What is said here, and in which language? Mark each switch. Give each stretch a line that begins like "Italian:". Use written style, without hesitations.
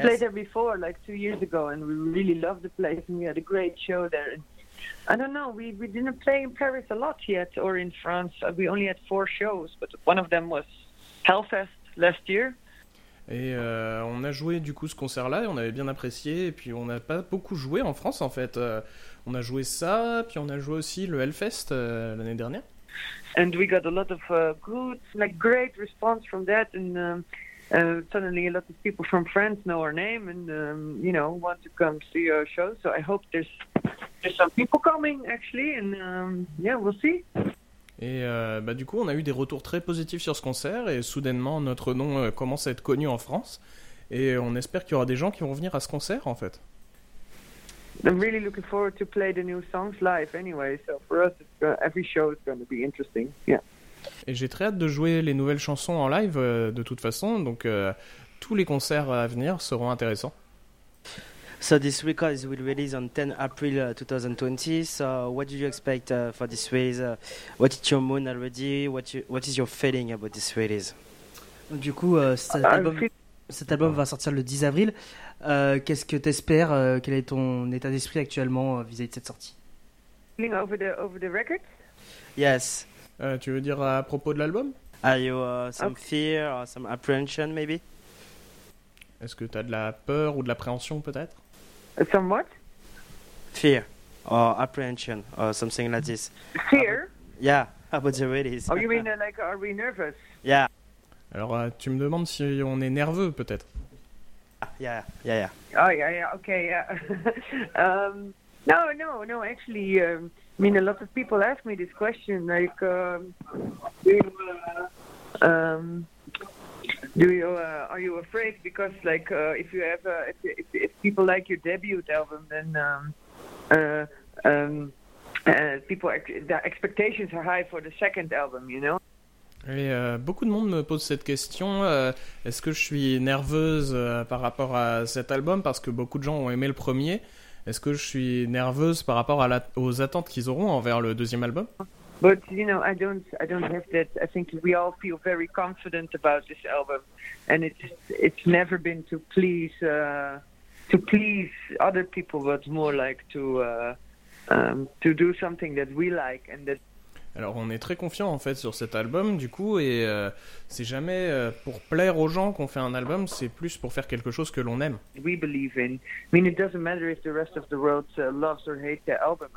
English: played there before, like 2 years ago, and we really loved the place, and we had a great show there. And I don't know, we didn't play in Paris a lot yet, or in France. We only had 4 shows, but one of them was Hellfest last year.
French: Et on a joué du coup ce concert-là, et on avait bien apprécié, et puis on n'a pas beaucoup joué en France, en fait. On a joué ça, puis on a joué aussi le Hellfest l'année dernière.
English: And we got a lot of good, like great response from that, and... suddenly a lot of people from France know our name and you know, want to come see our show, so I hope there's some people coming actually, and yeah, we'll see.
French: Et bah du coup, on a eu des retours très positifs sur ce concert, et soudainement notre nom commence à être connu en France, et on espère qu'il y aura des gens qui vont venir à ce concert, en fait.
English: I'm really looking forward to play the new songs live anyway, so for us every show is going to be interesting. Yeah.
French: Et j'ai très hâte de jouer les nouvelles chansons en live de toute façon, donc tous les concerts à venir seront intéressants.
English: So this record is will release on 10 April 2020. So what do you expect for this release? What is your mood already? What is your feeling about this release?
French: Du coup, cet album va sortir le 10 avril. Qu'est-ce que t'espères? Quel est ton état d'esprit actuellement vis-à-vis de cette sortie?
English: Feeling over the record? Yes.
French: Tu veux dire à propos de l'album?
English: Are you some okay. fear or some apprehension maybe?
French: Est-ce que tu as de la peur ou de l'appréhension peut-être?
English: Some what? Fear or apprehension or something like this. Fear? Yeah, about the release. Oh, you mean like are we nervous? Yeah.
French: Alors tu me demandes si on est nerveux peut-être?
English: Yeah. Oh yeah, okay, yeah. No, actually, I mean, a lot of people ask me this question, like, are you afraid? Because, like, if you have, if people like your debut album, then people the expectations are high for the second album, you know.
French: Et beaucoup de monde me pose cette question, est-ce que je suis nerveuse par rapport à cet album, parce que beaucoup de gens ont aimé le premier, est-ce que je suis nerveuse par rapport à aux attentes qu'ils auront envers le deuxième album?
English: But you know, I don't have that. I think we all feel very confident about this album, and it's never been to please other people, but more like to do something that we like and that.
French: Alors on est très confiant en fait sur cet album du coup et c'est jamais pour plaire aux gens qu'on fait un album, c'est plus pour faire quelque chose que l'on aime.
English: We believe in. I mean, it doesn't matter if the rest of the world loves or hates the album.